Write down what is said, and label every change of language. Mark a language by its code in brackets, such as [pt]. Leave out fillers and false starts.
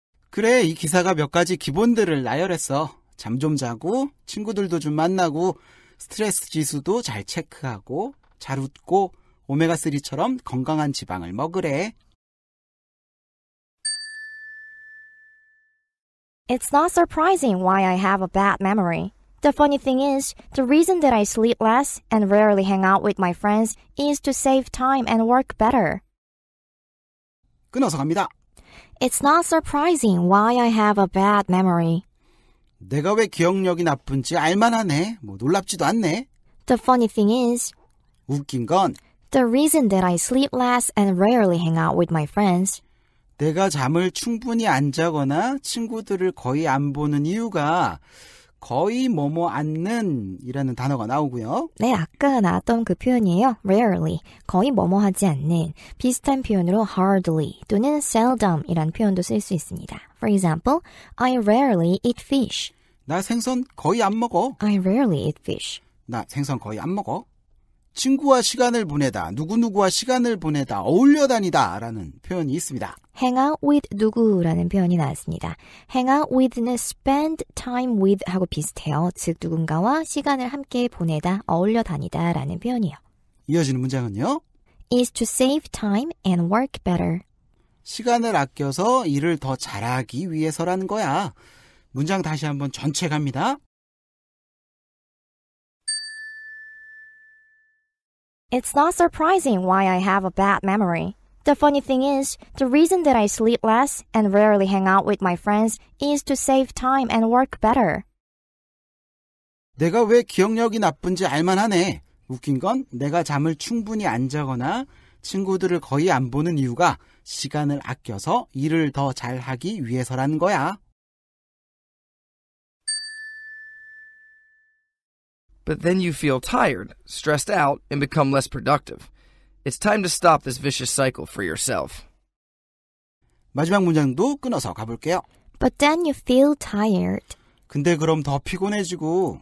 [ko] 그래, 이 기사가 몇 가지 기본들을 나열했어. 잠 좀 자고, 친구들도 좀 만나고, 스트레스 지수도 잘 체크하고, 잘 웃고, 오메가3처럼 건강한 지방을 먹으래. [en] It's not surprising why I have a bad memory. The funny thing is, the reason that I sleep less and rarely hang out with my friends is to save time and work better. [ko] 끊어서 갑니다. [en] It's not surprising why I have a bad memory. [ko] 내가 왜 기억력이 나쁜지 알만하네. 뭐 놀랍지도 않네. [en] The funny thing is, [ko] 웃긴 건, [en] the reason that I sleep less and rarely hang out with my friends. [ko] 내가 잠을 충분히 안 자거나 친구들을 거의 안 보는 이유가 거의 뭐뭐 않는 이라는 단어가 나오고요. 네, 아까 나왔던 그 표현이에요. Rarely, 거의 뭐뭐 하지 않는. 비슷한 표현으로 hardly 또는 seldom 이란 표현도 쓸 수 있습니다. [en] For example, I rarely eat fish. [ko] 나 생선 거의 안 먹어. [en] I rarely eat fish. [ko] 나 생선 거의 안 먹어. 친구와 시간을 보내다, 누구누구와 시간을 보내다, 어울려 다니다 라는 표현이 있습니다. Hang out with 누구라는 표현이 나왔습니다. Hang out with는 spend time with 하고 비슷해요. 즉 누군가와 시간을 함께 보내다, 어울려 다니다 라는 표현이요. 이어지는 문장은요? [en] Is to save time and work better. [ko] 시간을 아껴서 일을 더 잘하기 위해서라는 거야. 문장 다시 한번 전체 갑니다. [en] It's not surprising why I have a bad memory. The funny thing is, the reason that I sleep less and rarely hang out with my friends is to save time and work better. [ko] 내가 왜 기억력이 나쁜지 알만하네. 웃긴 건 내가 잠을 충분히 안 자거나 친구들을 거의 안 보는 이유가 시간을 아껴서 일을 더 잘하기 위해서라는 거야. [en] But then you feel tired, stressed out, and become less productive. It's time to stop this vicious cycle for yourself. [ko] 마지막 문장도 끊어서 가볼게요. [en] But then you feel tired. [ko] 근데 그럼 더 피곤해지고